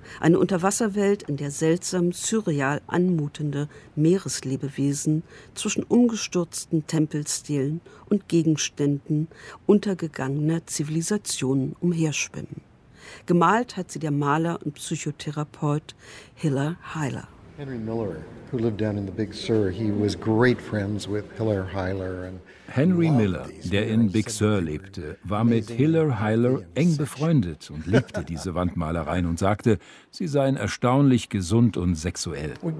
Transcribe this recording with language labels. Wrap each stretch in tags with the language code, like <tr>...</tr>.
<de>Eine Unterwasserwelt, in der seltsam surreal anmutende Meereslebewesen zwischen umgestürzten Tempelstelen und Gegenständen untergegangener Zivilisationen umherschwimmen. Gemalt hat sie der Maler und Psychotherapeut Hiller Hyler.</de> <en>Henry Miller, who lived down in the Big Sur, he was great friends with Hiller Hyler and</en> <de>Henry Miller, der in Big Sur lebte, war mit Hiller Hyler eng befreundet und liebte diese Wandmalereien und sagte, sie seien erstaunlich gesund und sexuell.</de>